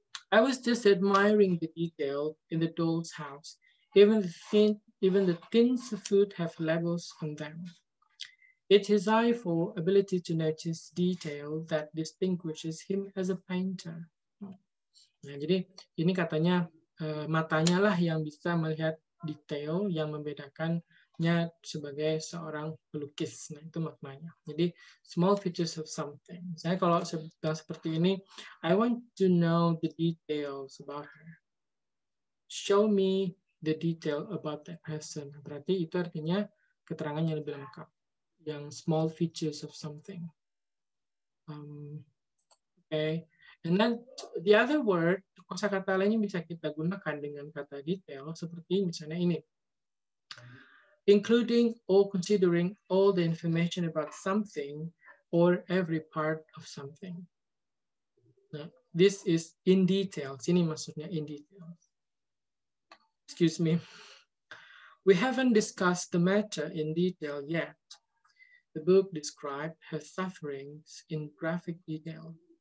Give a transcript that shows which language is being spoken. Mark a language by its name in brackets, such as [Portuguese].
[English] I was just admiring the detail in the doll's house. Even the tins of food have labels on them. It's his eye for ability to notice detail that distinguishes him as a painter. [Indonesian] Nah, jadi ini katanya matanya lah yang bisa melihat detail yang membedakannya sebagai seorang pelukis. Nah, itu maknanya. Jadi [English] small features of something. [Indonesian] Misalnya kalau sudah seperti ini, [English] I want to know the details about her. Show me the detail about that person. [Indonesian] Berarti itu artinya keterangan yang lebih lengkap. Yang [English] small features of something. Okay. And then the other word, [Indonesian] kosakata lainnya bisa kita gunakan dengan kata detail seperti misalnya ini. [English] Including or considering all the information about something or every part of something. Nah, this is in detail. [Indonesian] Sini maksudnya [English] in detail. Excuse me. We haven't discussed the matter in detail yet. The book described her sufferings in graphic detail.